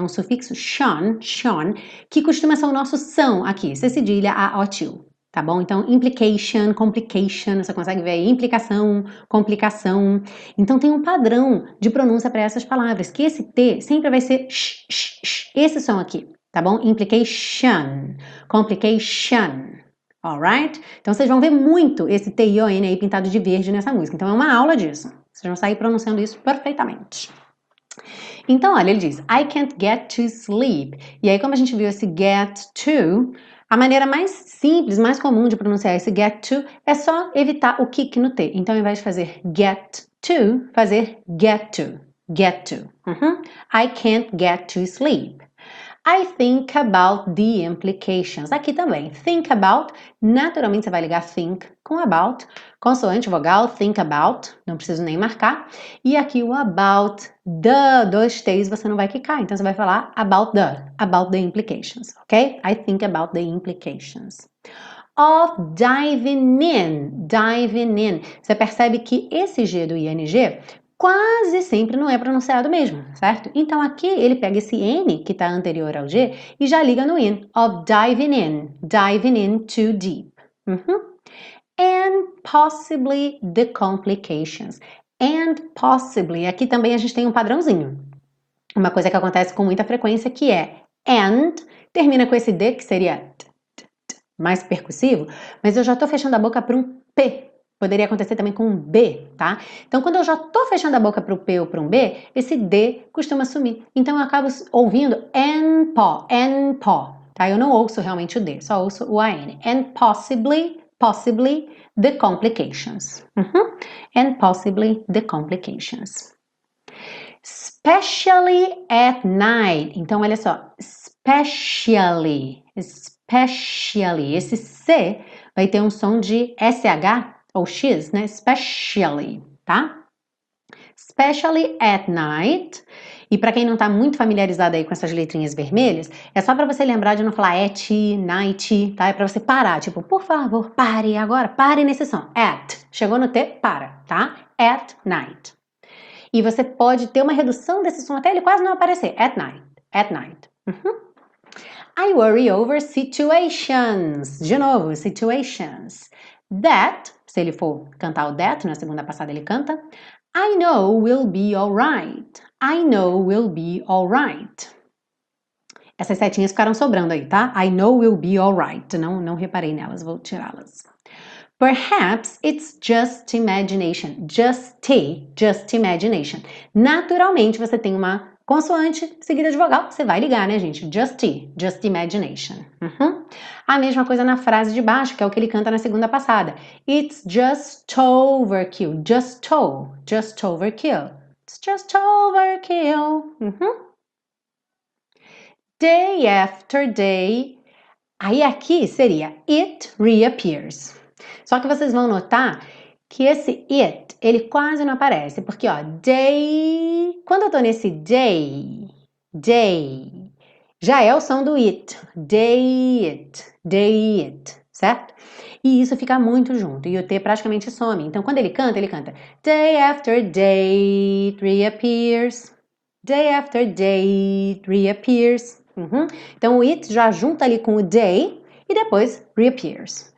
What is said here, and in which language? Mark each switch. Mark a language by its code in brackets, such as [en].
[pt] Um sufixo "-tion", "-tion", que costuma ser o nosso "-são", aqui, C cedilha, A, O, tio, tá bom? Então, implication, complication, você consegue ver aí, implicação, complicação. Então, tem um padrão de pronúncia para essas palavras, que esse T sempre vai ser "-sh", esse som aqui, tá bom? [en] Implication, complication. Alright? [pt] Então vocês vão ver muito esse T-I-O-N aí pintado de verde nessa música. Então é uma aula disso. Vocês vão sair pronunciando isso perfeitamente. Então, olha, ele diz: [en] I can't get to sleep. [pt] E aí, como a gente viu esse get to, a maneira mais simples, mais comum de pronunciar esse get to é só evitar o kick no T. Então, ao invés de fazer get to, fazer get to. [en] get to. Mm-hmm. I can't get to sleep. I think about the implications. [pt] Aqui também, think about, naturalmente você vai ligar think com about, consoante vogal, think about, não preciso nem marcar. E aqui o about the, dois T's você não vai quicar, então você vai falar [en] about the implications, [pt] ok? [en] I think about the implications. Of diving in, diving in. [pt] Você percebe que esse G do ING quase sempre não é pronunciado mesmo, certo? Então aqui ele pega esse N que está anterior ao G e já liga no in. [en] Of diving in too deep. Uhum. And possibly the complications. [pt] And possibly, aqui também a gente tem um padrãozinho. Uma coisa que acontece com muita frequência que é and, termina com esse D que seria mais percussivo, mas eu já estou fechando a boca para um P. Poderia acontecer também com um B, tá? Então, quando eu já estou fechando a boca para o P ou para um B, esse D costuma sumir. Então, eu acabo ouvindo and po, tá? Eu não ouço realmente o D, só ouço o AN. [en] And possibly, possibly the complications. Uhum. And possibly the complications. Especially at night. [pt] Então, olha só. [en] Especially, especially. [pt] Esse C vai ter um som de SH. Ou X, né? [en] Especially, tá? Especially at night. [pt] E para quem não tá muito familiarizado aí com essas letrinhas vermelhas, é só para você lembrar de não falar at, night, tá? É para você parar, tipo, por favor, pare agora, pare nesse som. At, chegou no T, para, tá? At night. E você pode ter uma redução desse som até ele quase não aparecer. [en] At night, at night. Uhum. I worry over situations. [pt] De novo, situations. That, se ele for cantar o that, na segunda passada ele canta. [en] I know we'll be alright. I know we'll be alright. [pt] Essas setinhas ficaram sobrando aí, tá? [en] I know we'll be alright. [pt] Não reparei nelas, vou tirá-las. [en] Perhaps it's just imagination. Just imagination. [pt] Naturalmente você tem uma consoante seguida de vogal, você vai ligar, né, gente? [en] Just imagination. [pt] Uhum. A mesma coisa na frase de baixo, que é o que ele canta na segunda passada. [en] It's just overkill. Just overkill. It's just overkill. Uhum. Day after day. [pt] Aí aqui seria it reappears. Só que vocês vão notar que esse it, ele quase não aparece. Porque, ó, day... Quando eu tô nesse day, day, já é o som do it. Day it, certo? E isso fica muito junto. E o T praticamente some. Então, quando ele canta... [en] Day after day, it reappears. Day after day, it reappears. Uhum. [pt] Então, o it já junta ali com o day e depois reappears.